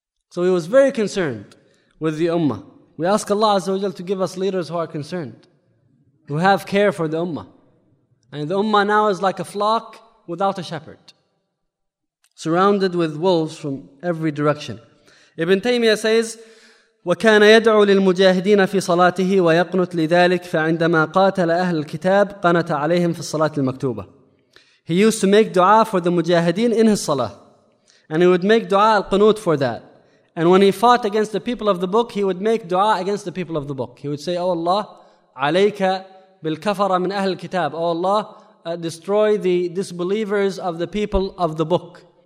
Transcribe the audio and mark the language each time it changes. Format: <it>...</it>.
<en>So he was very concerned with the ummah. We ask Allah Azza wa Jalla to give us leaders who are concerned, who have care for the ummah. And the ummah now is like a flock without a shepherd, surrounded with wolves from every direction.</en> <ar>Ibn Taymiyyah says, وكان يدعو للمجاهدين في صلاته ويقنت لذلك فعندما قاتل أهل الكتاب قنت عليهم في الصلاة المكتوبة.</ar> <en>He used to make dua for the mujahideen in his salah. And he would make dua al-qunut for that. And when he fought against the people of the book, he would make dua against the people of the book. He would say, oh Allah,</en> <ar>عليك بالكفر من أهل الكتاب.</ar> <en>Oh Allah, destroy the disbelievers of the people of the book.</en>